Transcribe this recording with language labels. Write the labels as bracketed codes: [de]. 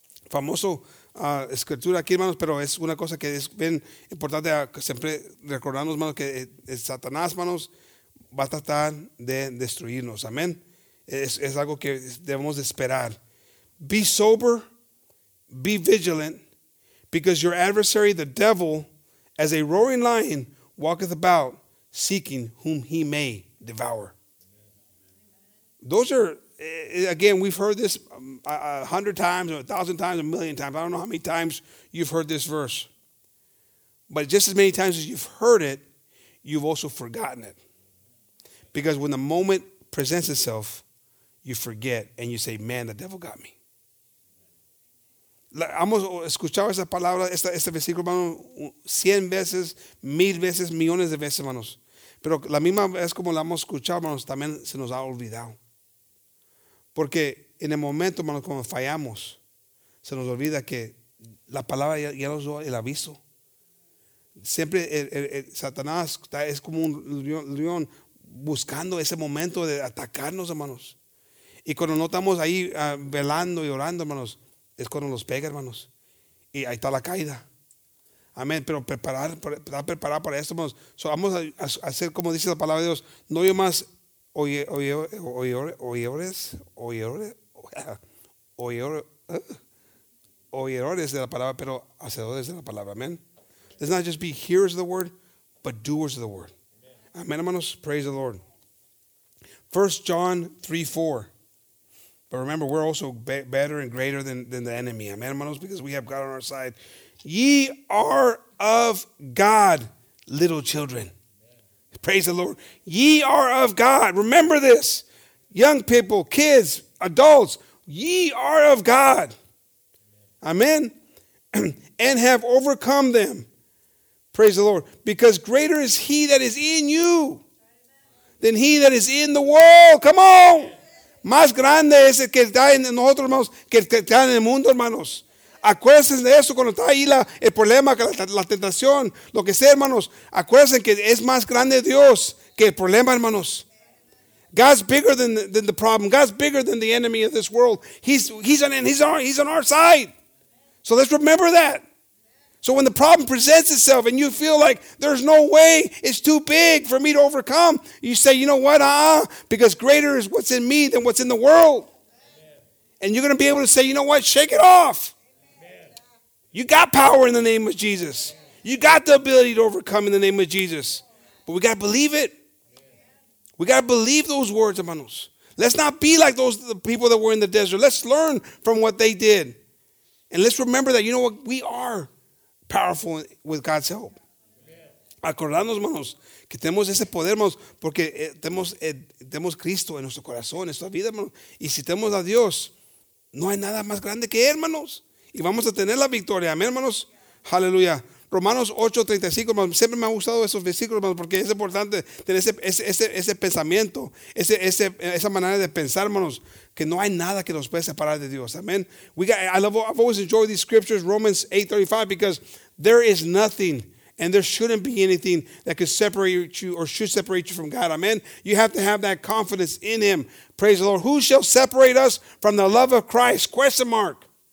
[es] Famoso escritura aquí, hermanos, pero es una cosa que es bien importante siempre recordarnos, hermanos, que Satanás, hermanos, va a tratar de destruirnos. Amen. Es algo que debemos de esperar. [en] Be sober, be vigilant, because your adversary, the devil, as a roaring lion, walketh about seeking whom he may devour. Those are, again, we've heard this 100 times or 1,000 times, a million times. I don't know how many times you've heard this verse. But just as many times as you've heard it, you've also forgotten it. Because when the moment presents itself, you forget and you say, man, the devil got me. [es] Hemos escuchado esa palabra, este versículo, hermano, 100 veces, 1,000 veces, millones de veces, hermanos. Pero la misma vez como la hemos escuchado, hermanos, también se nos ha olvidado. Porque en el momento, hermanos, cuando fallamos, se nos olvida que la palabra ya nos dio el aviso. Siempre el Satanás es como un león buscando ese momento de atacarnos, hermanos. Y cuando no estamos ahí velando y orando, hermanos, es cuando nos pega, hermanos. Y ahí está la caída. Amén. Pero preparar para esto, hermanos. So, vamos a hacer como dice la palabra de Dios. No hay más oyedores de la palabra, pero hacedores de la palabra. Amén. [en] Let's not just be hearers of the word, but doers of the word. [es] Amén, hermanos. [en] Praise the Lord. 1 John 3:4. But remember, we're also better and greater than the enemy. [es] Amén, hermanos, [en] because we have God on our side. Ye are of God, little children. Amen. Praise the Lord. Ye are of God. Remember this. Young people, kids, adults, ye are of God. Amen. And have overcome them. Praise the Lord. Because greater is he that is in you than he that is in the world. Come on. [es] Más grande es el que está en nosotros, hermanos, que el que está en el mundo, hermanos. Acuérdense de eso cuando está ahí el problema, la tentación, lo que sea, hermanos. Acuérdense que es más grande Dios que el problema, hermanos. [en] God's bigger than the problem. God's bigger than the enemy of this world. He's on our side. So let's remember that. So when the problem presents itself and you feel like there's no way, it's too big for me to overcome, you say, you know what, because greater is what's in me than what's in the world. Amen. And you're going to be able to say, you know what, shake it off. Amen. You got power in the name of Jesus. Amen. You got the ability to overcome in the name of Jesus. But we got to believe it. Amen. We got to believe those words, hermanos. Let's not be like those the people that were in the desert. Let's learn from what they did. And let's remember that, you know what, we are powerful with God's help. [es] Acordarnos, hermanos, que tenemos ese poder, hermanos, porque tenemos Cristo en nuestro corazón, en nuestra vida, hermanos. Y si tenemos a Dios, no hay nada más grande que Él, hermanos. Y vamos a tener la victoria, amén, hermanos. Aleluya. Romanos 8:35, hermanos. Siempre me ha gustado esos versículos, hermanos, porque es importante tener ese pensamiento, esa manera de pensar, hermanos, que no hay nada que nos pueda separar de Dios. Amén. [en] I've always enjoyed these scriptures, Romans 8:35, because there is nothing and there shouldn't be anything that could separate you or should separate you from God. Amén. You have to have that confidence in Him. Praise the Lord. Who shall separate us from the love of Christ? Question mark.